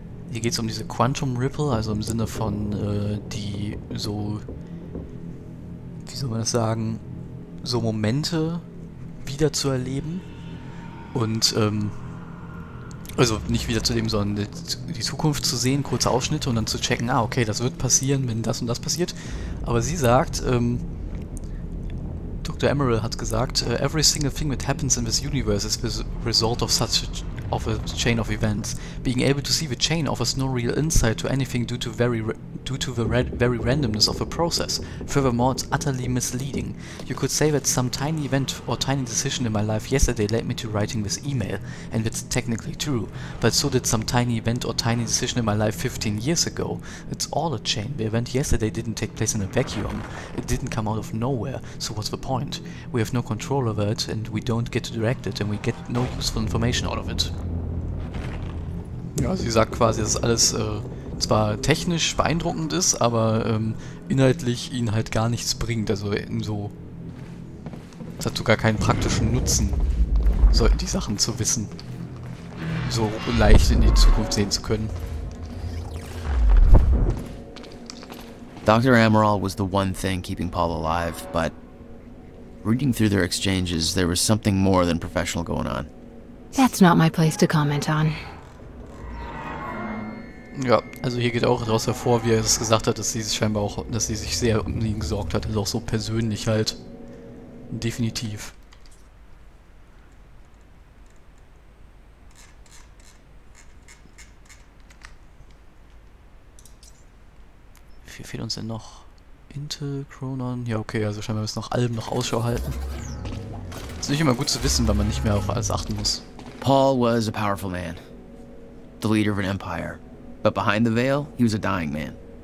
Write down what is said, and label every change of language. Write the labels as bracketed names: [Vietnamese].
[German] Hier geht es um diese Quantum Ripple, also im Sinne von die so, wie soll man das sagen, so Momente wiederzuerleben. Und also nicht wiederzuerleben, sondern die Zukunft zu sehen, kurze Ausschnitte und dann zu checken, ah, okay, das wird passieren, wenn das und das passiert. Aber sie sagt, Dr. [English] Emeril [German] hat gesagt, [English] every single thing that happens in this universe is the result of such of a chain of events. Being able to see the chain offers no real insight to anything due to the very randomness of the process. Furthermore, it's utterly misleading. You could say that some tiny event or tiny decision in my life yesterday led me to writing this email, and it's technically true. But so did some tiny event or tiny decision in my life 15 years ago. It's all a chain. The event yesterday didn't take place in a vacuum. It didn't come out of nowhere. So what's the point? We have no control over it, and we don't get to direct it, and we get no useful information out of it. [German] Ja, sie sagt quasi, dass alles zwar technisch beeindruckend ist, aber inhaltlich ihnen halt gar nichts bringt. Also in so, es hat sogar keinen praktischen Nutzen, so die Sachen zu wissen, so leicht in die Zukunft sehen zu können. [English] Dr. Amaral was the one thing keeping Paul alive, but reading through their exchanges, there was something more than professional going on. That's not my place to comment on. [German] Ja, also hier geht auch daraus hervor, wie er es gesagt hat, dass sie sich scheinbar auch, dass sie sich sehr um ihn gesorgt hat, also auch so persönlich halt. Definitiv. Viel fehlt uns denn noch? Intel, Chronon? Ja, okay, also scheinbar müssen wir noch allem noch Ausschau halten. Ist nicht immer gut zu wissen, weil man nicht mehr auf alles achten muss. [English] Paul was a powerful man, the leader of an empire. But behind the veil, he was a dying man.